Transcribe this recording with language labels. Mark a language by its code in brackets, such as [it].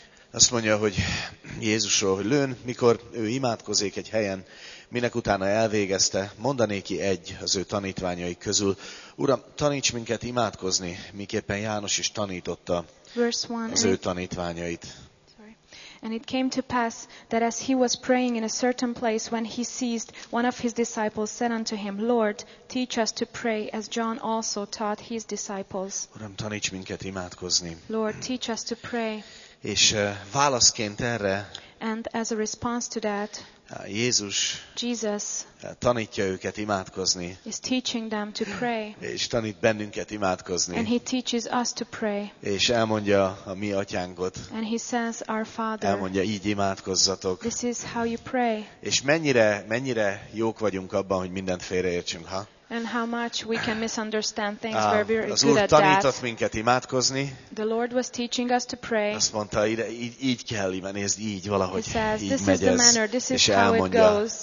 [hu] azt mondja, hogy Jézusról, hogy lőn, mikor ő imádkozik egy helyen, minek utána elvégezte, mondanéki egy az ő tanítványai közül, Uram, taníts minket imádkozni, miképpen János is tanította az ő tanítványait. [en] And it came to pass that as he was praying in a certain place, when he ceased, one of his disciples said unto him, Lord, teach us to pray as John also taught his disciples. [hu] Uram, taníts minket imádkozni. [en] Lord, teach us to pray. [hu] És válaszként erre, [en] and as a response to that, [hu] Jézus [en] Jesus [hu] tanítja őket imádkozni. [en] Is teaching them to pray. [hu] És tanít bennünket imádkozni. [en] And he teaches us to pray. [hu] És elmondja a mi atyánkot. [en] And he says our father. [hu] Elmondja, így imádkozzatok. [en] This is how you pray. [hu] És mennyire jók vagyunk abban, hogy mindent félreértsünk, ha? [en] And how much we can misunderstand things where we're good at that. [hu] Az Úr tanított minket imádkozni. [en] The Lord was teaching us to pray. [hu] Azt mondta, így kell, nézd, így valahogy, így megy ez. [en] This is the manner, this is how it goes.